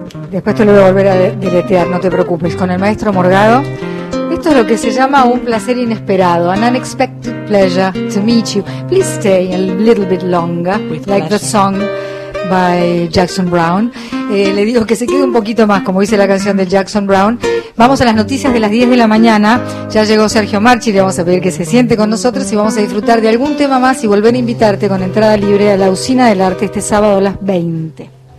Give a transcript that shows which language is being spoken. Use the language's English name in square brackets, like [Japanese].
[Spanish] Después te lo voy a volver a deletrear, no te preocupes, con el maestro Morgado. Esto es lo que se llama un placer inesperado, [English] an unexpected pleasure to meet you. Please stay a little bit longer, with like pleasure. The song by Jackson Browne. [Spanish] Le digo que se quede un poquito más, como dice la canción de Jackson Browne. Vamos a las noticias de las 10 de la mañana. Ya llegó Sergio Marchi, le vamos a pedir que se siente con nosotros y vamos a disfrutar de algún tema más y volver a invitarte con entrada libre a la Usina del Arte este sábado a las 20.